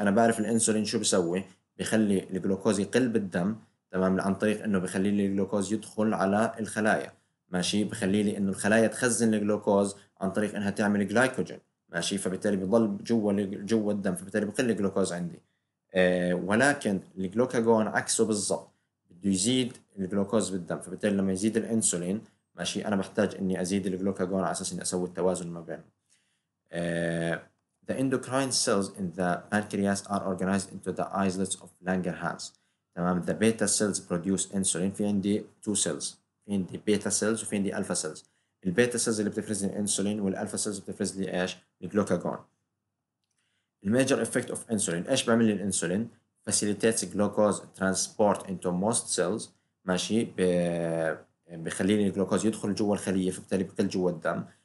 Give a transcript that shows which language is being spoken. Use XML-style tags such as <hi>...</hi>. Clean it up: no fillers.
<ar>انا بعرف الانسولين شو بسوي، بخلي الجلوكوز يقل بالدم، تمام، عن طريق انه بخلي لي الجلوكوز يدخل على الخلايا، ماشي، بخلي لي انه الخلايا تخزن الجلوكوز عن طريق انها تعمل جلايكوجين، ماشي، فبالتالي بيضل جوا الدم، فبالتالي بقل الجلوكوز عندي. ولكن الجلوكاجون عكسه بالضبط، يزيد الجلوكوز بالدم، فبالتالي لما يزيد الانسولين، ماشي، انا بحتاج اني ازيد الجلوكاجون على اساس اني اسوي التوازن ما بينهم.</ar> <en>The endocrine cells in the pancreas are organized into the islets of Langerhans. تمام، the beta cells produce insulin.</en> <ar>في عندي</ar> <en>two cells،</en> <ar>في عندي beta cells وفي عندي alpha cells. البيتا cells اللي بتفرز الانسولين، والالفا cells بتفرز لي ايش؟ الجلوكاجون. الميجر افكت اوف انسولين، ايش بعمل لي الانسولين؟</ar> <en>facilitates glucose transport into most cells،</en> <ar>ماشي، بخلي لي الجلوكوز يدخل جوا الخليه، فبالتالي بقل جوا الدم.</ar>